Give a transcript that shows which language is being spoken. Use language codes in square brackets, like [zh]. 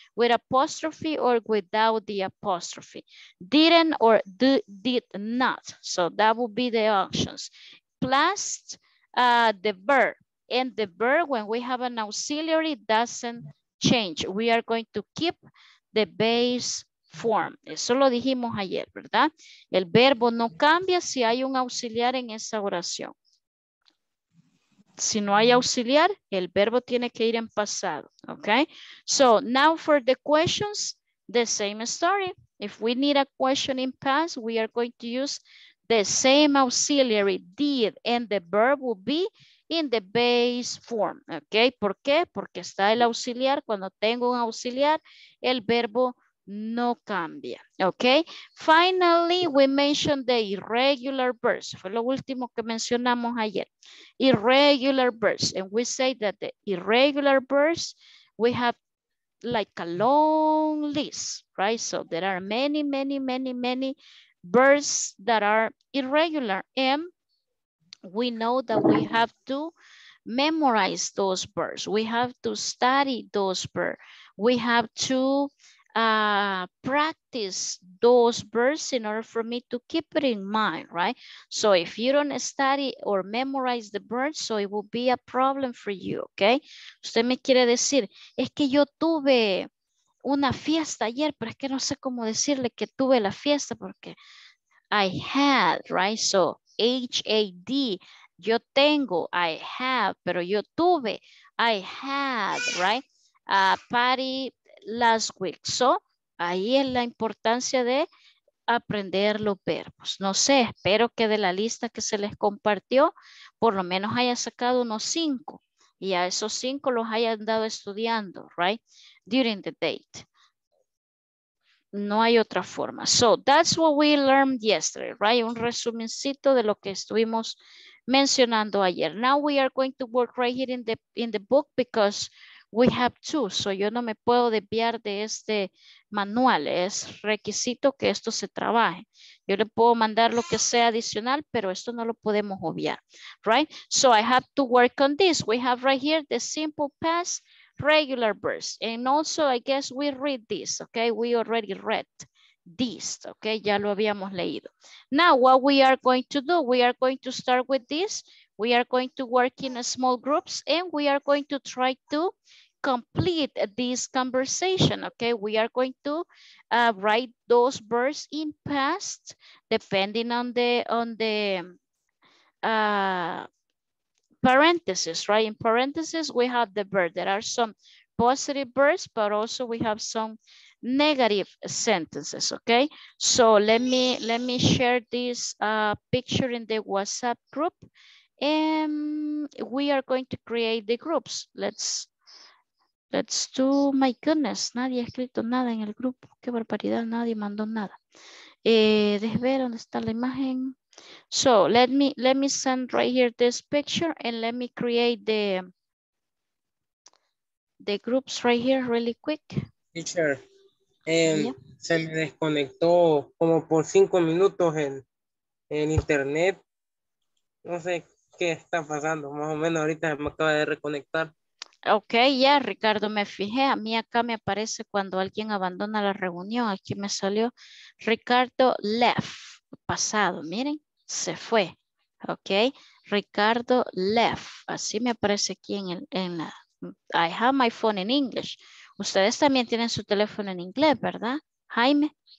[en] With apostrophe or without the apostrophe. Didn't or did not. So that would be the options. Plus the verb, and the verb when we have an auxiliary doesn't change. We are going to keep the base form. [es] Eso lo dijimos ayer, ¿verdad? El verbo no cambia si hay un auxiliar en esa oración. Si no hay auxiliar, el verbo tiene que ir en pasado, [en] okay? So now for the questions, the same story. If we need a question in past, we are going to use the same auxiliary, did, and the verb will be in the base form, okay? [es] ¿Por qué? Porque está el auxiliar. Cuando tengo un auxiliar, el verbo no cambia, [en] okay? Finally, we mentioned the irregular verbs. [es] Fue lo último que mencionamos ayer. [en] Irregular verbs, and we say that the irregular verbs, we have like a long list, right? So there are many, many, many, many verbs that are irregular, and we know that we have to memorize those verbs. We have to study those verbs. We have to practice those verbs in order for me to keep it in mind, right? So if you don't study or memorize the verbs, so it will be a problem for you, okay? [es] Usted me quiere decir, es que yo tuve una fiesta ayer, pero es que no sé cómo decirle que tuve la fiesta porque [en] I had, right? So H-A-D, [es] yo tengo, [en] I have, [es] pero yo tuve, [en] I had, right? Party last week. [es] So ahí es la importancia de aprender los verbos. No sé, espero que de la lista que se les compartió, por lo menos haya sacado unos 5 y a esos 5 los haya andado estudiando, [en] right? During the date. [es] No hay otra forma. [en] So that's what we learned yesterday, right? [es] Un resumencito de lo que estuvimos mencionando ayer. [en] Now we are going to work right here in the book because we have two. [es] So yo no me puedo desviar de este manual. Es requisito que esto se trabaje. Yo le puedo mandar lo que sea adicional, pero esto no lo podemos obviar, [en] right? So I have to work on this. We have right here the simple past, regular verbs, and also I guess we read this, okay? We already read this, okay? [es] Ya lo habíamos leído. [en] Now what we are going to do, we are going to start with this. We are going to work in small groups and we are going to try to complete this conversation, okay? We are going to write those verbs in past depending on the parentheses, right? In parentheses, we have the verb. There are some positive verbs, but also we have some negative sentences, okay? So let me share this picture in the WhatsApp group, and we are going to create the groups. Let's Let's do, my goodness, [es] nadie ha escrito nada en el grupo. Qué barbaridad, nadie mandó nada. Deje ver dónde está la imagen. [en] So let me send right here this picture and let me create the groups right here really quick. [es] Teacher, se me desconectó como por 5 minutos en internet. No sé qué está pasando, más o menos ahorita me acaba de reconectar. Ok, ya Ricardo, me fijé, a mí acá me aparece cuando alguien abandona la reunión, aquí me salió [en] Ricardo left, [es] pasado, miren, se fue, ok, Ricardo left, así me aparece aquí en la, [en] I have my phone in English, [es] ustedes también tienen su teléfono en inglés, ¿verdad, Jaime?